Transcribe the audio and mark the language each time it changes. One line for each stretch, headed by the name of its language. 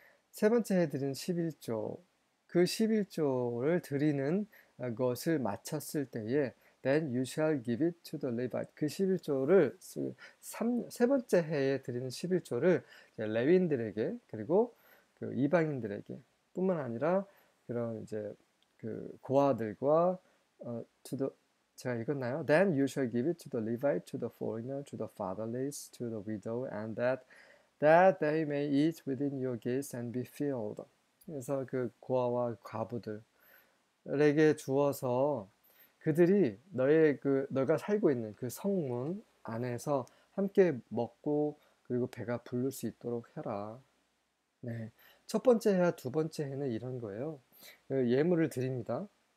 Korean: 세 번째 해에 드리는 11조, 그 11조를 드리는 것을 마쳤을 때에
English: Then you shall give it to the Levite.
Korean: 그 11조를 세 번째 해에 드리는 11조를 레위인들에게 그리고 그 이방인들에게 뿐만 아니라 그런 이제 그 고아들과 제가 읽었나요?
English: Then you shall give it to the Levite, to the foreigner, to the fatherless, to the widow, and that they may eat within your gates and be filled.
Korean: 그래서 그 고아와 과부들에게 주어서 그들이 너가 살고 있는 그 성문 안에서 함께 먹고 그리고 배가 부를 수 있도록 해라. 네. 첫 번째 해와 두 번째 해는 이런 거예요. 예물을 드립니다.